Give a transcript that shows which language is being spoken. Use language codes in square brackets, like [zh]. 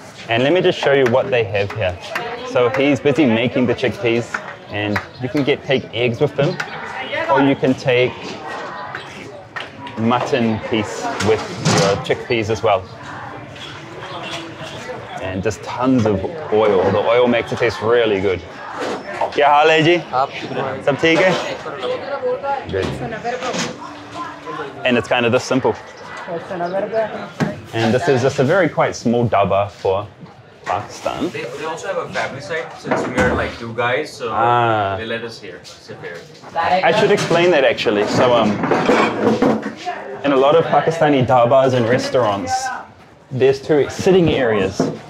[en] And let me just show you what they have here. So he's busy making the chickpeas, and you can take eggs with them, or you can take mutton piece with your chickpeas as well. And just tons of oil. The oil makes it taste really good. [ur] کیا حال ہے جی؟ سب ٹھیک ہے؟ [en] Good. And it's kind of this simple. And this is just a very quite small dhaba for Pakistan. They also have a family site since we are like two guys, so they let us here sit here. I should explain that actually. So in a lot of Pakistani dhabas and restaurants, there's two sitting areas.